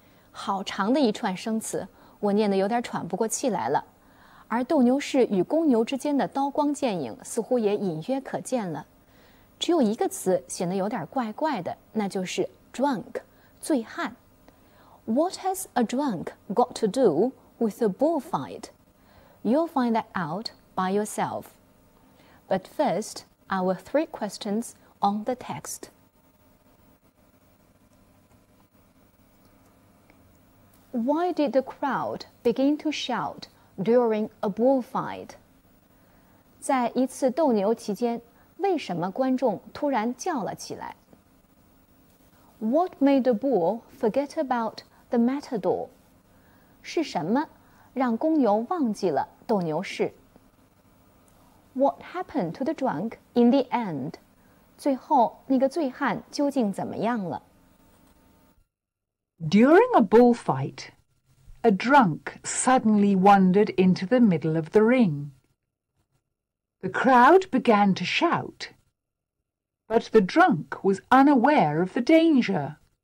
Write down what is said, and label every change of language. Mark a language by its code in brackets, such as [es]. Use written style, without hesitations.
[zh] 好长的一串生词，我念得有点喘不过气来了。而斗牛士与公牛之间的刀光剑影似乎也隐约可见了。只有一个词显得有点怪怪的，那就是 drunk, 醉汉。 [en] What has a drunk got to do with a bullfight? You'll find that out by yourself. But first, our three questions. On the text. Why did the crowd begin to shout during a bullfight? [zh] 在一次斗牛期间，为什么观众突然叫了起来？ [en] What made the bull forget about the matador? [zh] 是什么让公牛忘记了斗牛士？ [en] What happened to the drunk in the end? [zh] 最后那个醉汉究竟怎么样了 [en] ？During a bullfight, a drunk suddenly wandered into the middle of the ring. The crowd began to shout, but the drunk was unaware of the danger.